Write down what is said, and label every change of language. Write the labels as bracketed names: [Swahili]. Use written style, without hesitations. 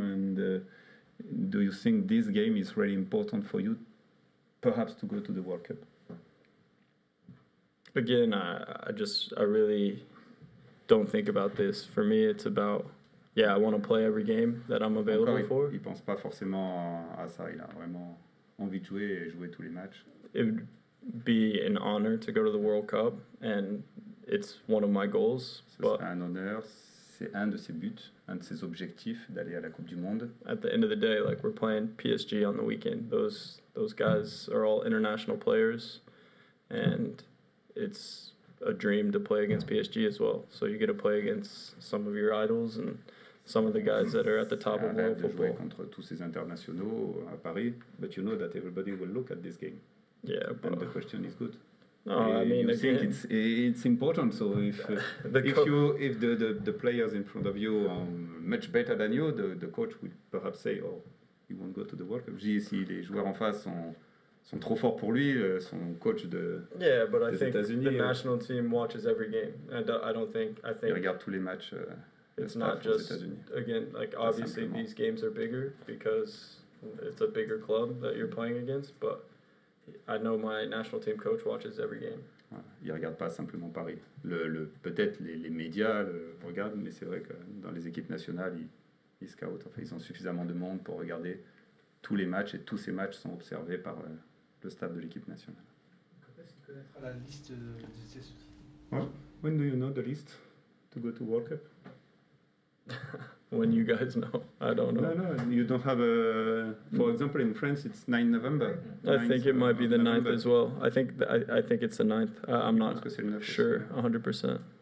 [English] And do you think this game is really important for you, perhaps to go to the World Cup? Again, I really don't think about this. For me, it's about, yeah, I want to play every game that I'm available [French] encore, [English] for. [French] Il pense pas forcément à ça. Il a vraiment envie de jouer et jouer tous les matchs. [English] It would be an honor to go to the World Cup, and it's one of my goals. [French] C'est un honneur. C'est un de ses buts, un de ses objectifs d'aller à la Coupe du Monde. [English] At the end of the day, like, we're playing PSG on the weekend. Those guys are all international players, and it's a dream to play against PSG as well. So you get to play against some of your idols and some of the guys that are at the top of world football. [French] Jouer contre tous ces internationaux à Paris, [English] but you know that everybody will look at this game. Yeah, but the question is good. No, I mean, you think it's important. So if the players in front of you are much better than you, the coach will perhaps say, oh, you won't go to the World Cup. [French] Si les joueurs en face sont trop forts pour lui, son coach de [English] yeah, but I think the national team watches every game. I think [French] il regarde tous les matchs. [English] It's not just again, like, obviously these games are bigger because it's a bigger club that you're playing against, but I know my national team coach watches every game. [French] Ouais, il regarde pas simplement Paris. Le peut-être les médias le regardent, mais c'est vrai que dans les équipes nationales, ils scoutent. Enfin, ils ont suffisamment de monde pour regarder tous les matchs, et tous ces matchs sont observés par le staff de l'équipe nationale. Quand est-ce qu'il connaîtra la liste de [English] ses... When do you know the list to go to World Cup? When you guys know, I don't know. No, you don't have a... For example, in France, it's 9 November. I think it might be the 9th as well. I think it's the 9th. I'm not sure, 100%.